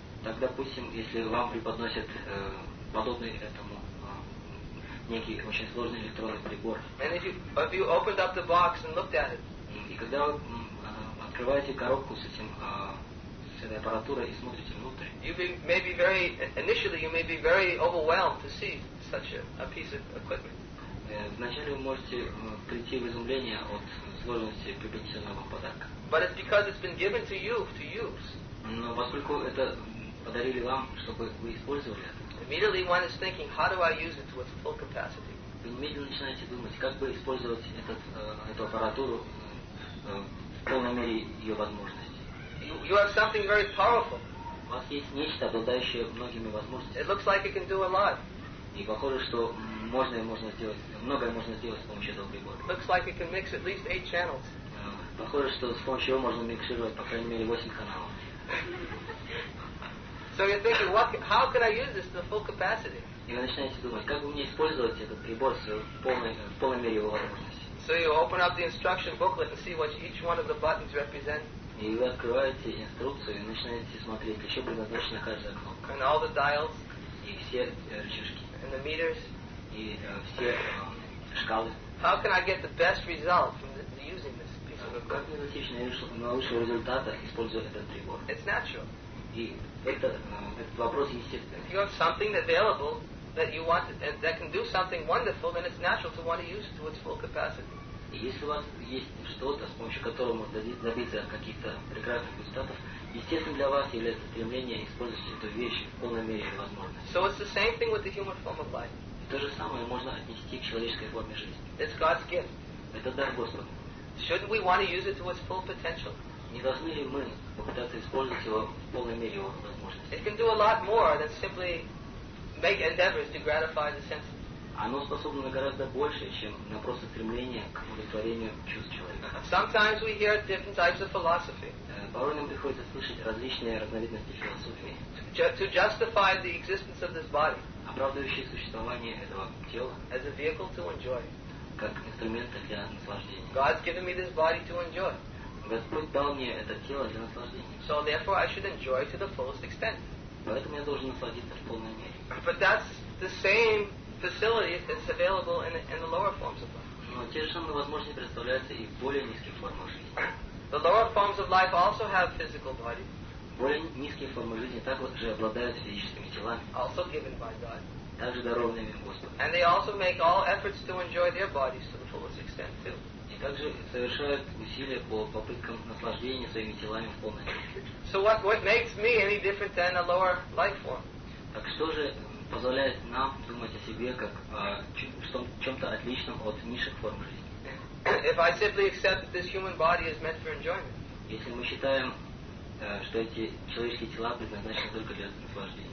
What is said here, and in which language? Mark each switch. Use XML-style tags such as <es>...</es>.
<ru>так, допустим, если вам преподносят подобный этому некий очень сложный электронный прибор,</ru> <en>and if you opened up the box and looked at it,</en> <ru>и когда открываете коробку с этим с этой аппаратурой и смотрите внутрь.</ru> <en>You may be very overwhelmed to see such a piece of equipment.</en> <ru>вначале вы можете прийти в изумление от сложности приобретенного подарка.</ru> <en>But it's because it's been given to you to use.</en> <ru>Но поскольку это подарили вам, чтобы вы использовали это.</ru> <en>Immediately one is thinking, how do I use it to its full capacity?</en> <ru>Вы немедленно начинаете думать, как бы использовать этот, эту аппаратуру в полной мере ее возможностей.</ru> <en>You have something very powerful.</en> <ru>У вас есть нечто, обладающее многими возможностями.</ru> <en>It looks like it can do a lot.</en> <ru>И похоже, что можно сделать, многое можно сделать с помощью этого прибора.</ru> <en>It looks like it can mix at least 8 channels.</en> <ru>Похоже, что с помощью его можно микшировать по крайней мере 8 каналов.</ru> <en>So you're thinking, what, how can I use this to the full capacity?</en> <ru>И вы начинаете думать, как бы мне использовать этот прибор в полной мере его возможности.</ru> <en>So you open up the instruction booklet and see what each one of the buttons represent.</en> <ru>И вы открываете инструкцию и начинаете смотреть, еще предназначена каждая кнопка.</ru> <en>And all the dials.</en> <ru>И все рычажки.</ru> <en>And the meters.</en> <ru>И все шкалы.</ru> <en>How can I get the best result from the, using this piece of equipment?</en> <ru>Как мне достичь наилучшего результата, используя этот прибор?</ru> <en>It's natural.</en> <ru>И это, этот вопрос естественный.</ru> <en>If you have something available that you want to, that can do something wonderful, then it's natural to want to use it to its full capacity.</en> <ru>И если у вас есть что-то, с помощью которого можно добиться каких-то прекрасных результатов, естественно для вас является стремление использовать эту вещь в полной мере возможности.</ru> <en>So it's the same thing with the human form of life.</en> <ru>И то же самое можно отнести к человеческой форме жизни.</ru> <en>It's God's gift.</en> <ru>Это дар Господа.</ru> <en>Shouldn't we want to use it to its full potential?</en> <ru>Не должны ли мы попытаться использовать его в полной мере его возможностей?</ru> <en>It can do a lot more than simply make endeavors to gratify the senses.</en> <ru>Оно способно на гораздо больше, чем на просто стремление к удовлетворению чувств человека.</ru> <en>Sometimes we hear different types of philosophy.</en> <ru>Порой нам приходится слышать различные разновидности философии.</ru> <en>To justify the existence of this body.</en> <ru>Оправдывающие существование этого тела.</ru> <en>As a vehicle to enjoy.</en> <ru>Как инструмент для наслаждения.</ru> <en>God's given me this body to enjoy.</en> <ru>Господь дал мне это тело для наслаждения.</ru> <en>So therefore I should enjoy to the fullest extent.</en> <ru>Поэтому я должен насладиться в полной мере.</ru> <en>But that's the same facility that's available in the lower forms of life.</en> <ru>Но те же самые возможности представляются и в более низких формах жизни.</ru> <en>The lower forms of life also have physical bodies.</en> <ru>Более низкие формы жизни также обладают физическими телами.</ru> <en>Also given by God.</en> <ru>Также дарованными Господом.</ru> <en>And they also make all efforts to enjoy their bodies to the fullest extent too.</en> <ru>Также совершают усилия по попыткам наслаждения своими телами в полной мере.</ru> <en>So what makes me any different than a lower life form?</en> <ru>Так что же позволяет нам думать о себе как о чем-то отличном от низших форм жизни?</ru> <en>If I simply accept that this human body is meant for enjoyment.</en> <ru>Если мы считаем, что эти человеческие тела предназначены только для наслаждения.</ru>